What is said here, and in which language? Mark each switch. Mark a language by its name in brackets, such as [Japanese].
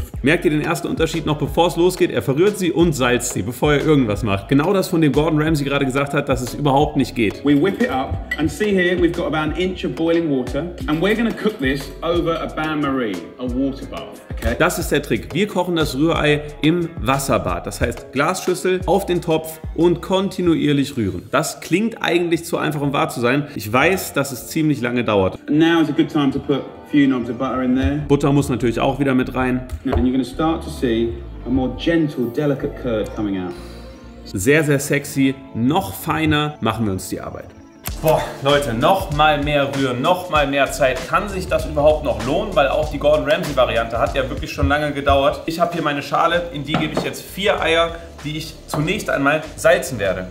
[German] Merkt ihr den ersten Unterschied noch, bevor es losgeht? Er verrührt sie und salzt sie, bevor er irgendwas macht. Genau das, von dem Gordon Ramsay gerade gesagt hat, dass es überhaupt nicht geht. [English] We whip it up and see here we've got about an inch of boiling water and we're gonna cook this over a bain-marie, a water bath. [German] Das ist der Trick. Wir kochen das Rührei im Wasserbad. Das heißt, Glasschüssel auf den Topf und kontinuierlich rühren. Das klingt eigentlich zu einfach, um wahr zu sein. Ich weiß, dass es ziemlich lange dauert. [English] Now is a good time to put a few knobs of butter in there. [German] Butter muss natürlich auch wieder mit rein. [English] And you're going to start to see a more gentle, delicate curd coming out. [German] Sehr, sehr sexy. Noch feiner machen wir uns die Arbeit. Boah, Leute, noch mal mehr rühren, noch mal mehr Zeit. Kann sich das überhaupt noch lohnen? Weil auch die Gordon Ramsay-Variante hat ja wirklich schon lange gedauert. Ich habe hier meine Schale, in die gebe ich jetzt 4 Eier, die ich zunächst einmal salzen werde.